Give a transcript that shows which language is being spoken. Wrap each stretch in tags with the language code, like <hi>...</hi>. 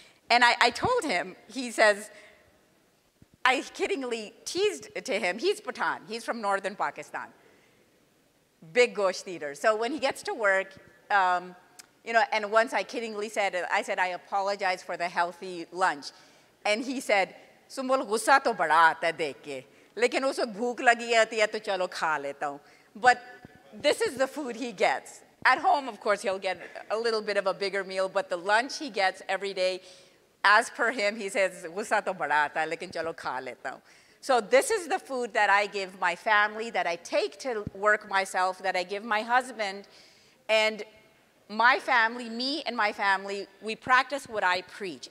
<en>And I told him, he says, I kiddingly teased to him, he's Pathan, he's from northern Pakistan. Big gosht eater. So when he gets to work, and once I kiddingly said, I apologize for the healthy lunch. And he said,</en> <ur>سنبل غصہ تو بڑا آتا ہے دیکھ کے، لیکن اس کو بھوک لگی آتی ہے تو چلو کھا لیتا ہوں۔</ur> <en>But this is the food he gets. At home, of course, he'll get a little bit of a bigger meal, but the lunch he gets every day, as per him, he says,</en> <ur>"Gussa to bada aata hai, lekin chalo kha leta hu."</ur> <en>So this is the food that I give my family, that I take to work myself, that I give my husband. And my family, me and my family, we practice what I preach.</en>